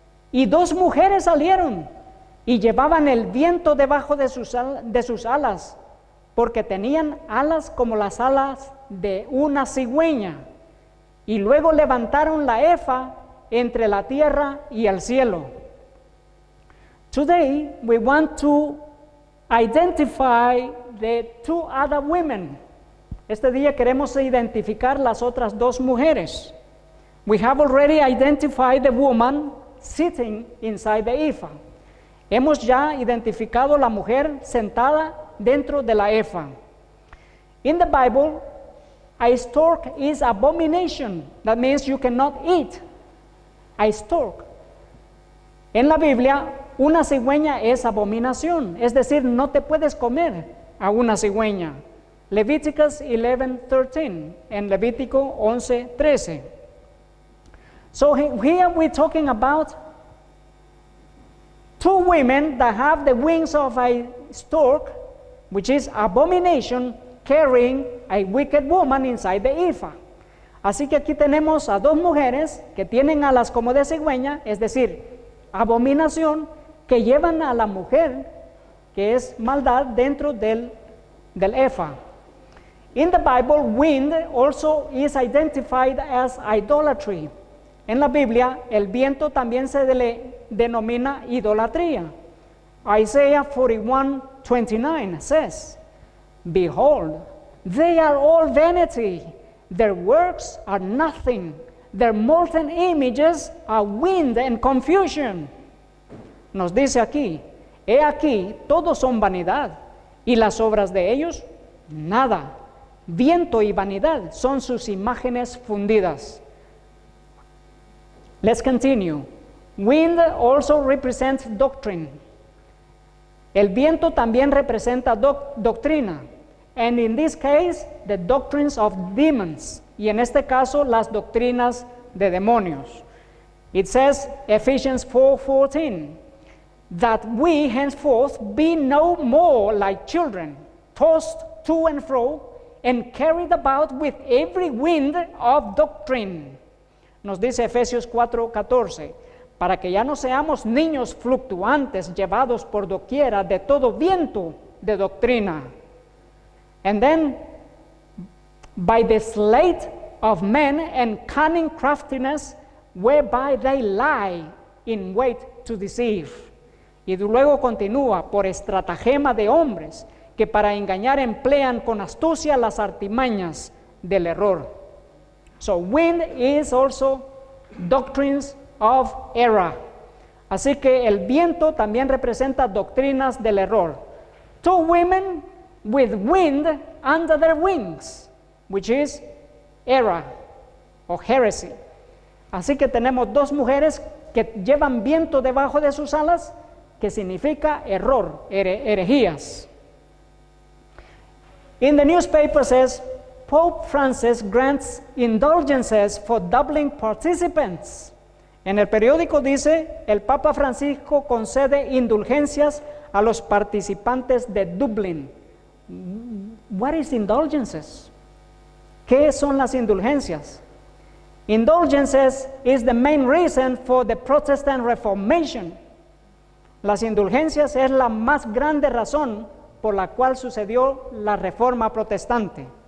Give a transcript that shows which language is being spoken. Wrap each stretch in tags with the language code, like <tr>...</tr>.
<es>Y dos mujeres salieron y llevaban el viento debajo de sus alas, porque tenían alas como las alas de una cigüeña. Y luego levantaron la ephah entre la tierra y el cielo.</es> <en>Today, we want to identify the two other women.</en> <es>Este día queremos identificar las otras dos mujeres.</es> <en>We have already identified the woman sitting inside the ephah.</en> <es>Hemos ya identificado la mujer sentada dentro de la ephah.</es> <en>In the Bible, a stork is abomination. That means you cannot eat a stork.</en> <es>En la Biblia, una cigüeña es abominación, es decir, no te puedes comer a una cigüeña.</es> <en>Leviticus 11:13 and</en> <es>Levítico 11:13.</es> <en>So here we're talking about two women that have the wings of a stork, which is abomination, carrying a wicked woman inside the ephah.</en> <es>Así que aquí tenemos a dos mujeres que tienen alas como de cigüeña, es decir, abominación, que llevan a la mujer, que es maldad, dentro del ephah.</es> <en>In the Bible, wind also is identified as idolatry.</en> <es>En la Biblia, el viento también se le denomina idolatría.</es> <en>Isaiah 41:29 says, "Behold, they are all vanity. Their works are nothing. Their molten images are wind and confusion."</en> <es>Nos dice aquí, "He aquí, todos son vanidad, y las obras de ellos, nada. Viento y vanidad son sus imágenes fundidas."</es> <en>Let's continue. Wind also represents doctrine.</en> <es>El viento también representa doctrina.</es> <en>And in this case, the doctrines of demons.</en> <es>Y en este caso, las doctrinas de demonios.</es> <en>It says, Ephesians 4:14, that we henceforth be no more like children, tossed to and fro, and carried about with every wind of doctrine.</en> <es>Nos dice Efesios 4:14, para que ya no seamos niños fluctuantes, llevados por doquiera de todo viento de doctrina.</es> <en>And then, by the sleight of men and cunning craftiness, whereby they lie in wait to deceive.</en> <es>Y luego continúa, por estratagema de hombres, que para engañar emplean con astucia las artimañas del error.</es> <en>So wind is also doctrines of error.</en> <es>Así que el viento también representa doctrinas del error.</es> <en>Two women with wind under their wings, which is error or heresy.</en> <es>Así que tenemos dos mujeres que llevan viento debajo de sus alas, que significa error, herejías.</es> <en>In the newspaper says, Pope Francis grants indulgences for doubling participants.</en> <es>En el periódico dice, el Papa Francisco concede indulgencias a los participantes de Dublín.</es> <en>What is indulgences?</en> <es>¿Qué son las indulgencias?</es> <en>Indulgences is the main reason for the Protestant Reformation.</en> <es>Las indulgencias es la más grande razón por la cual sucedió la reforma protestante.</es>